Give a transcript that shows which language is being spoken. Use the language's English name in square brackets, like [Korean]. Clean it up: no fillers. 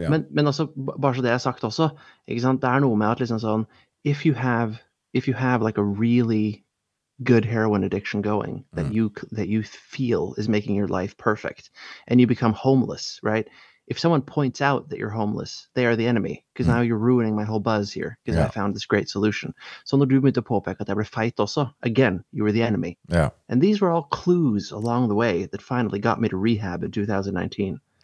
[Norwegian] men altså, bare så det jeg sagt også, ikke sant, det noe med at liksom sånn, [English] if you have like a really good heroin addiction going, that you feel is making your life perfect, and you become homeless, right? If someone points out that you're homeless, they are the enemy, because now you're ruining my whole buzz here, because I found this great solution. [Norwegian] Så når du begynte å påpeke at jeg ble feit også, [English] again, you were the enemy. Yeah. And these were all clues along the way that finally got me to rehab in 2019.